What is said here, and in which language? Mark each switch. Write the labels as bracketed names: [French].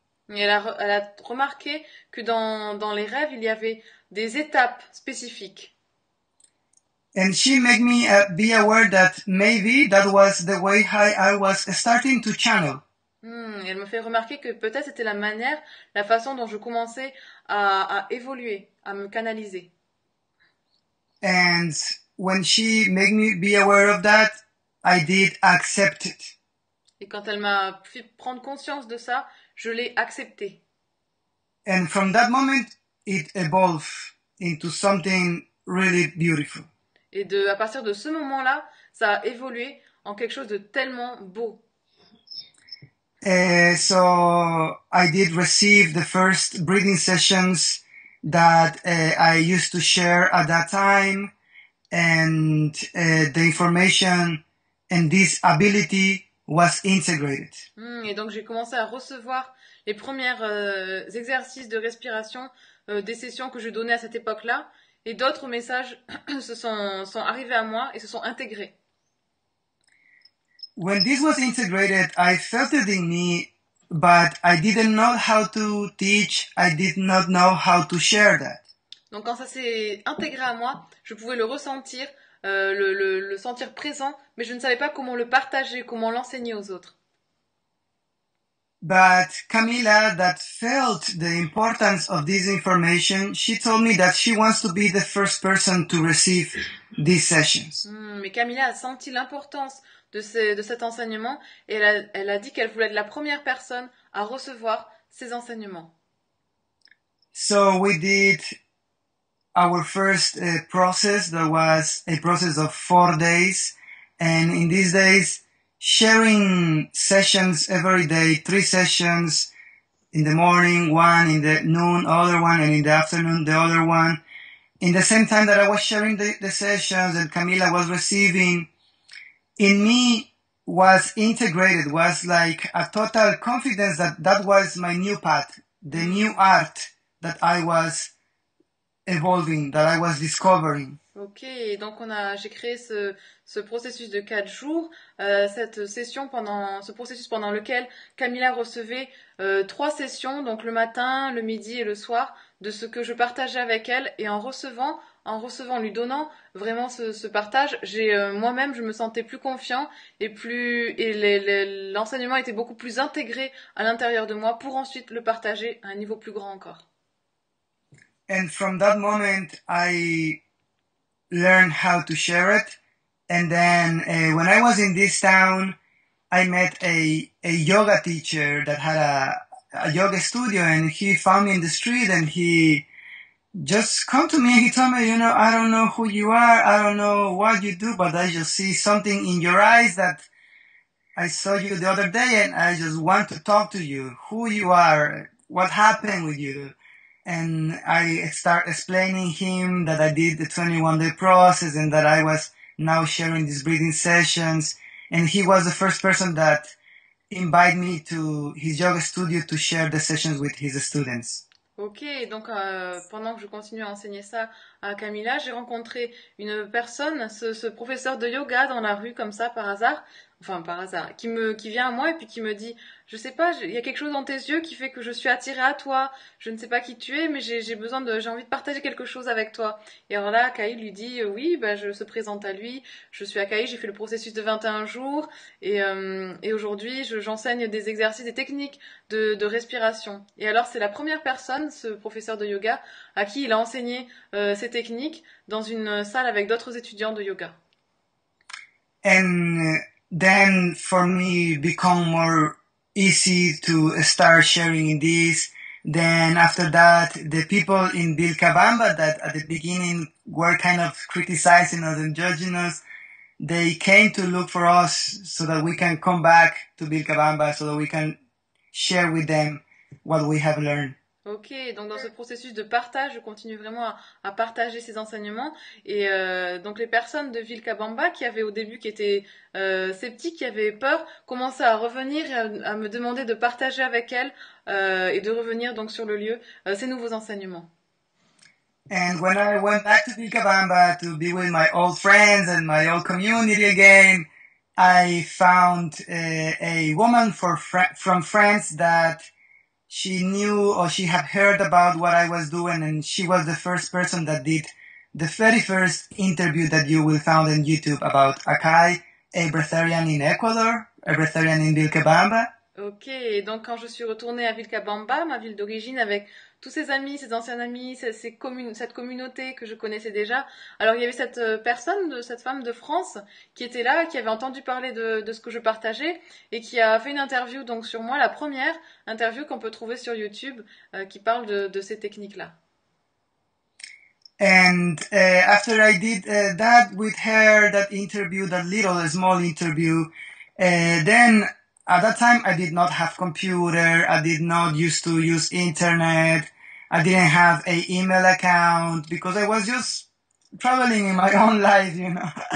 [French] Elle a remarqué que dans les rêves, il y avait des étapes spécifiques. [English] And she made me be aware that maybe that was the way I was starting to channel. [French] Elle me fait remarquer que peut-être c'était la manière, la façon dont je commençais à évoluer, à me canaliser. [English] And when she made me be aware of that, I did accept it. [French] Et quand elle m'a fait prendre conscience de ça, je l'ai accepté. [English] And from that moment, it evolved into something really beautiful. [French] Et à partir de ce moment-là, ça a évolué en quelque chose de tellement beau. [English] So I did receive the first breathing sessions that I used to share at that time, and the information and this ability was integrated. [French] Et donc j'ai commencé à recevoir les premiers exercices de respiration des sessions que je donnais à cette époque-là, et d'autres messages sont arrivés à moi et se sont intégrés. [English] When this was integrated, I felt it in me. But I didn't know how to teach, I did not know how to share that. [French] Donc quand ça s'est intégré à moi, je pouvais le ressentir, le sentir présent, mais je ne savais pas comment le partager, comment l'enseigner aux autres. [English] But Camila, that felt the importance of this information, she told me that she wants to be the first person to receive these sessions. [French] Mais Camilla a senti l'importance de cet enseignement et elle a dit qu'elle voulait être la première personne à recevoir ces enseignements. [English] So we did our first process that was a process of 4 days. And in these days, sharing sessions every day, 3 sessions in the morning, one in the noon, other one, and in the afternoon, the other one. In the same time that I was sharing the sessions and Camila was receiving, in me was integrated, was like a total confidence that that was my new path, the new art that I was evolving, that I was discovering. [French] Ok, donc j'ai créé ce processus de 4 jours, ce processus pendant lequel Camilla recevait 3 sessions, donc le matin, le midi et le soir, de ce que je partageais avec elle. Et en recevant, lui donnant vraiment ce partage, moi-même, je me sentais plus confiant et l'enseignement était beaucoup plus intégré à l'intérieur de moi pour ensuite le partager à un niveau plus grand encore. [English] And from that moment, I learned how to share it. And then, when I was in this town, I met a yoga teacher that had a yoga studio, and he found me in the street, and he just come to me, and he told me, you know, I don't know who you are, I don't know what you do, but I just see something in your eyes that I saw you the other day, and I just want to talk to you, who you are, what happened with you. And I start explaining him that I did the 21-day process and that I was now sharing these breathing sessions. And he was the first person that invited me to his yoga studio to share the sessions with his students. [French] Ok, donc pendant que je continuais à enseigner ça à Camilla, j'ai rencontré une personne, ce professeur de yoga dans la rue comme ça par hasard, enfin par hasard, qui vient à moi et puis qui me dit, je sais pas, il y a quelque chose dans tes yeux qui fait que je suis attirée à toi. Je ne sais pas qui tu es, mais j'ai envie de partager quelque chose avec toi. Et alors là, Kaï lui dit, oui, bah, je se présente à lui. Je suis à Kaï, j'ai fait le processus de 21 jours et aujourd'hui, j'enseigne des exercices, des techniques de respiration. Et alors c'est la première personne, ce professeur de yoga, à qui il a enseigné ces techniques dans une salle avec d'autres étudiants de yoga. [English] And then for me become more easy to start sharing this. Then after that, the people in Vilcabamba that at the beginning were kind of criticizing us and judging us, they came to look for us so that we can come back to Vilcabamba so that we can share with them what we have learned. [French] Ok, donc dans ce processus de partage, je continue vraiment à partager ces enseignements. Et donc les personnes de Vilcabamba qui avaient au début qui étaient sceptiques, qui avaient peur, commençaient à revenir et à me demander de partager avec elles et de revenir donc sur le lieu ces nouveaux enseignements. [English] And when I went back to Vilcabamba to be with my old friends and my old community again, I found a woman from France that she knew or she had heard about what I was doing, and she was the first person that did the very first interview that you will find on YouTube about Akai, a breatharian in Ecuador, a breatharian in Vilcabamba. [French] Ok, et donc quand je suis retournée à Vilcabamba, ma ville d'origine, avec tous ces amis, ces anciens amis, cette communauté que je connaissais déjà, alors il y avait cette personne, cette femme de France, qui était là, qui avait entendu parler de ce que je partageais, et qui a fait une interview donc sur moi, la première interview qu'on peut trouver sur YouTube, qui parle de ces techniques-là. [English] And after I did that with her, that interview, that little small interview, then at that time I did not have computer, I did not used to use internet, I didn't have an email account because I was just traveling in my own life, you know.